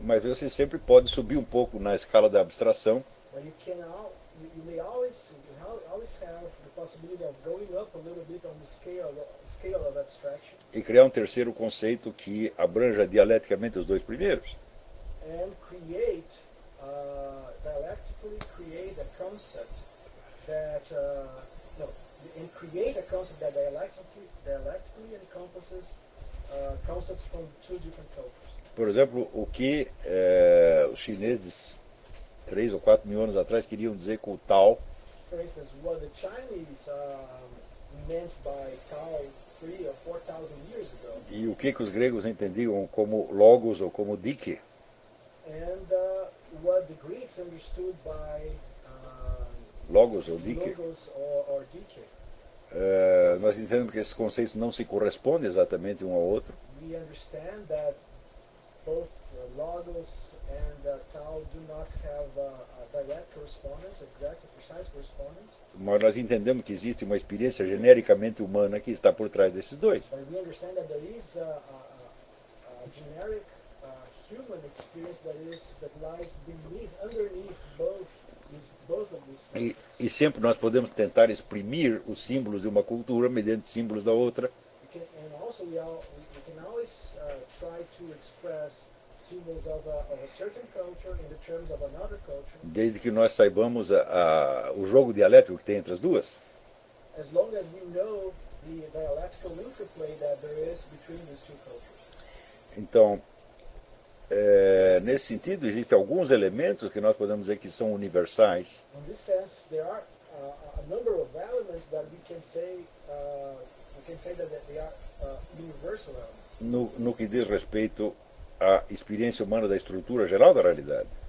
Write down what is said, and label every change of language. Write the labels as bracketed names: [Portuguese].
[Portuguese] Mas você sempre pode subir um pouco na escala da abstração. [English] But you can always have the possibility of going up a little bit on the scale of abstraction. [Portuguese] E criar um terceiro conceito que abranja dialeticamente os dois primeiros. [English] And create dialectically create a concept that and create a concept that dialectically encompasses concepts from two different cultures. [Portuguese] Por exemplo, o que os chineses 3 ou 4 mil anos atrás queriam dizer com o Tao. [English] For instance, what the Chinese meant by Tao 3 or 4,000 years ago. [Portuguese] E o que os gregos entendiam como logos ou como dike. [English] And what the Greeks understood by [Portuguese] logos ou dike. [English] Logos or dike. [Portuguese] Nós entendemos que esses conceitos não se correspondem exatamente um ao outro. [English] We understand that both logos and tau do not have a direct correspondence, exact or precise correspondence. [Portuguese] Mas nós entendemos que existe uma experiência genericamente humana que está por trás desses dois. [English] But we understand that there is a generic human experience that lies underneath both of these. [Portuguese] E sempre nós podemos tentar exprimir os símbolos de uma cultura mediante símbolos da outra. [English] And also we can always try to express symbols of a certain culture in the terms of another culture. [Portuguese] Desde que nós saibamos o jogo dialético que tem entre as duas. [English] As long as we know the dialectical interplay that there is between these two cultures. [Portuguese] Então, nesse sentido, existem alguns elementos que nós podemos dizer que são universais. [English] In this sense, there are a number of elements that we can say that they are universal elements. [Portuguese] No que diz respeito a experiência humana da estrutura geral da realidade.